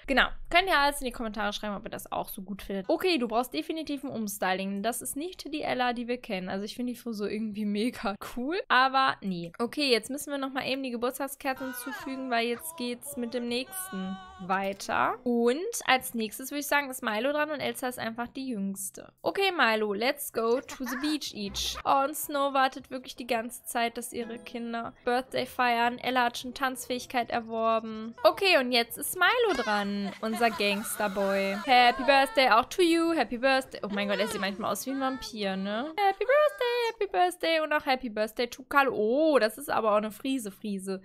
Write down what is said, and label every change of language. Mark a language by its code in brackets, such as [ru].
[de] Genau, könnt ihr alles in die Kommentare schreiben, ob ihr das auch so gut findet. Okay, du brauchst definitiv ein Umstyling. Das ist nicht die Ella, die wir kennen. Also ich finde die Frisur irgendwie mega cool, aber nee. Okay, jetzt müssen wir nochmal eben die Geburtstagskerze hinzufügen, weil jetzt geht's mit dem nächsten weiter. Und als nächstes würde ich sagen, ist Milo dran und Elsa ist einfach die Jüngste. [en] Okay, Milo, let's go to the beach each. [de] Oh, und Snow wartet wirklich die ganze Zeit, dass ihre Kinder Birthday feiern. Ella hat schon Tanzfähigkeit erworben. Okay, und jetzt ist Milo dran, unser Gangsterboy. Happy Birthday auch to you, happy Birthday. Oh mein Gott, er sieht manchmal aus wie ein Vampir, ne? Happy Birthday, happy Birthday und auch happy Birthday to Carlo. Oh, das ist aber auch eine Friese.